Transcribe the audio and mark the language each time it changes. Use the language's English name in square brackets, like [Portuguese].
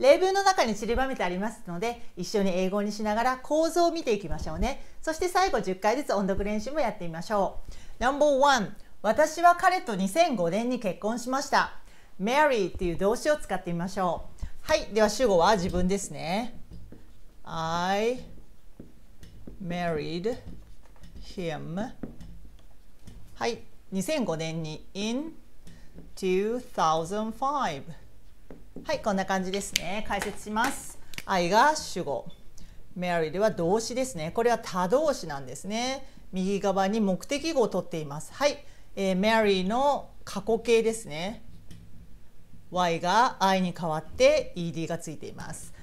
[Japanese] 例文の中に散りばめてありますので、一緒に英語にしながら構造を見ていきましょうね。そして最後10回ずつ音読練習もやってみましょう。 No.1、 私は彼と2005年に結婚しました。 Marry っていう動詞を使ってみましょう。はい、では主語は自分ですね。 [English] I married him、 [Japanese] はい、2005年に in 2005。はい、こんな感じですね。解説します。I が主語、 married は動詞ですね。これは他動詞なんですね。右側に目的語を取っています。はい、marry の過去形ですね。 Y が I に変わって ED がついています。